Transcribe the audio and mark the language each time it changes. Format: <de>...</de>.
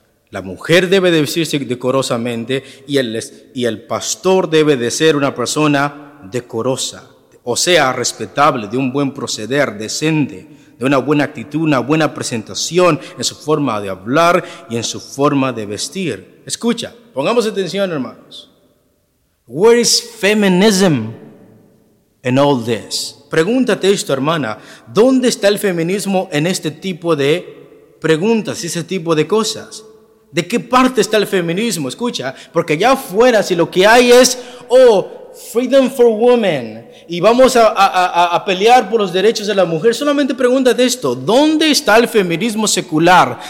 <es>La mujer debe de vestirse decorosamente y el pastor debe de ser una persona decorosa, o sea, respetable, de un buen proceder, decente, de una buena actitud, una buena presentación en su forma de hablar y en su forma de vestir. Escucha, pongamos atención, hermanos.</es> <en>Where is feminism in all this?</en> <es>Pregúntate esto, hermana. ¿Dónde está el feminismo en este tipo de preguntas, ese tipo de cosas? ¿De qué parte está el feminismo? Escucha, porque allá afuera, si lo que hay es, oh,</es> <en>freedom for women,</en> <es>y vamos a pelear por los derechos de la mujer. Solamente pregunta de esto: ¿dónde está el feminismo secular?</es>